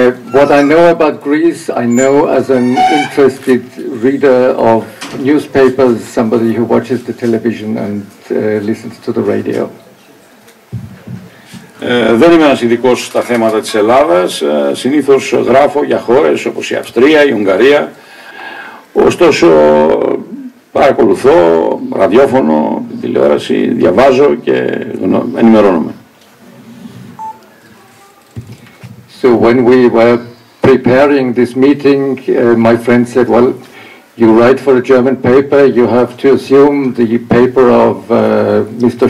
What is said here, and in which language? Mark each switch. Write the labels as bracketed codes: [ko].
[en] What I know about Greece, I know as an interested reader of newspapers, somebody who watches the television and listens to the radio. [el] Δεν είμαι ένας ειδικός στα θέματα της Ελλάδας. Συνήθως γράφω για χώρες όπως η Αυστρία, η Ουγγαρία. Ωστόσο, παρακολουθώ ραδιόφωνο, τηλεόραση, διαβάζω και ενημερώνομαι. [en] So when we were preparing this meeting, my friend said, well, you write for a German paper, you have to assume the paper of Mr.